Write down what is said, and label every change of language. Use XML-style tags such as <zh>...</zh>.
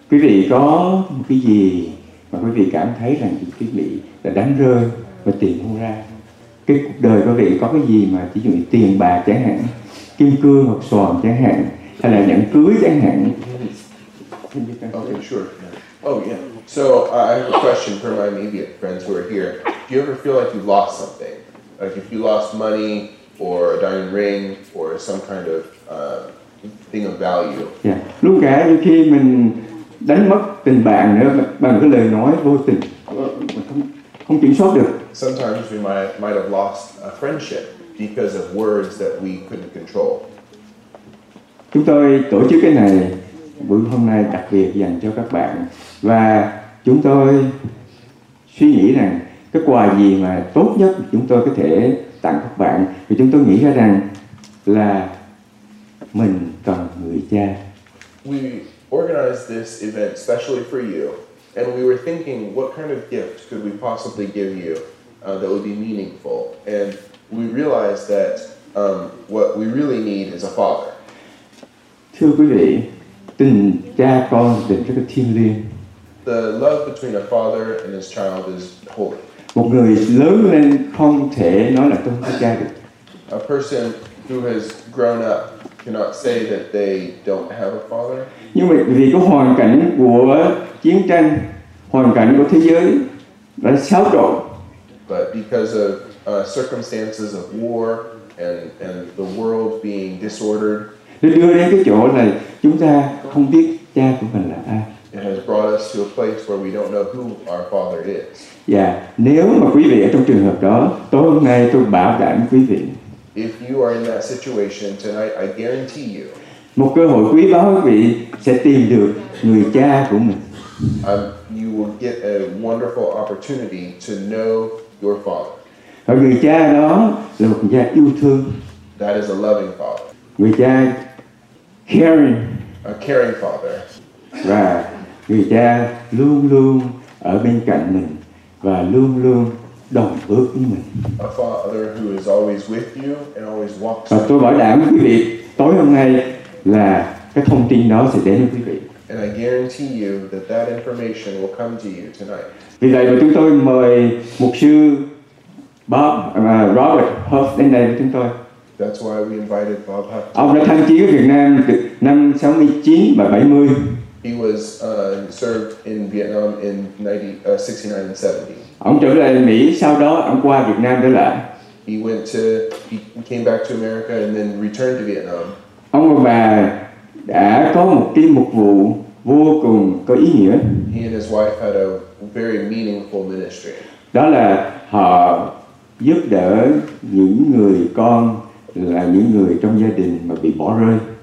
<vi>quý vị có một cái gì mà quý vị cảm thấy rằng quý vị là đánh rơi và tiền không ra? Cái cuộc đời quý vị có cái gì mà ví dụ như tiền bạc chẳng hạn, kim cương hoặc xoàn chẳng hạn, hay là nhẫn cưới chẳng hạn?</vi> <en>Okay, sure. Oh yeah. So I have a question for my immediate friends who are here. Do you ever feel like you've lost something? Like if you lost money or a diamond ring or some kind of thing of value? Yeah.</en> <vi>Lúc cả đôi khi mình đánh mất tình bạn nữa bằng cái lời nói vô tình, không kiểm soát được.</vi> <en>Sometimes we might have lost a friendship because of words that we couldn't control.</en> <vi>Chúng tôi tổ chức cái này buổi hôm nay đặc biệt dành cho các bạn, và chúng tôi suy nghĩ rằng cái quà gì mà tốt nhất chúng tôi có thể tặng các bạn, thì chúng tôi nghĩ ra rằng là mình cần người cha.</vi> <en>We organized this event specially for you, and we were thinking what kind of gift could we possibly give you that would be meaningful, and we realized that what we really need is a father.</en> <vi>Thưa quý vị, tình cha con tình rất là thiêng liêng.</vi> <en>The love between a father and his child is holy.</en> <vi>Một người lớn lên không thể nói là không có cha được.</vi> <en>A person who has grown up cannot say that they don't have a father.</en> <vi>Nhưng mà vì cái hoàn cảnh của chiến tranh, hoàn cảnh của thế giới đã xáo trộn.</vi> <en>But because of circumstances of war and the world being disordered,</en> <vi>nó đưa đến cái chỗ là chúng ta không biết cha của mình là ai.</vi> <en>It has brought us to a place where we don't know who our father is.</en> <vi>Yeah, nếu mà quý vị ở trong trường hợp đó, tối hôm nay tôi bảo đảm quý vị,</vi> <en>if you are in that situation tonight, I guarantee you,</en> <vi>một cơ hội quý báu quý vị sẽ tìm được người cha của mình.</vi> <en>You will get a wonderful opportunity to know your father.</en> <vi>Và người cha đó là một người cha yêu thương.</vi> <en>That is a loving father.</en> <vi>Người cha caring,</vi> <en>a caring father,</en> <vi>và người cha luôn luôn ở bên cạnh mình và luôn luôn đồng ước với mình.</vi> <en>A father who is always with you and always walks with</en> <vi>you. Và tôi bảo đảm quý vị tối hôm nay là cái thông tin đó sẽ đến với quý vị.</vi> <en>And I guarantee you that that information will come to you tonight.</en> <vi>Vì vậy mà chúng tôi mời mục sư Bob Robert Huff đến đây với chúng tôi.</vi> <en>That's why we invited Bob Huff.</en> <vi>Ông đã tham chiến ở Việt Nam từ năm 69 và 70.</vi> <en>He was served in Vietnam in 69 and 70.</en> <vi>Ông trở lại Mỹ, sau đó ông qua Việt Nam trở lại.</vi> <en>He came back to America and then returned to Vietnam.</en> <vi>Ông và bà đã có một cái mục vụ vô cùng có ý nghĩa.</vi> <en>He and his wife had a very meaningful ministry.</en> <vi>Đó là họ giúp đỡ những người con là những người trong gia đình mà bị bỏ rơi.</vi>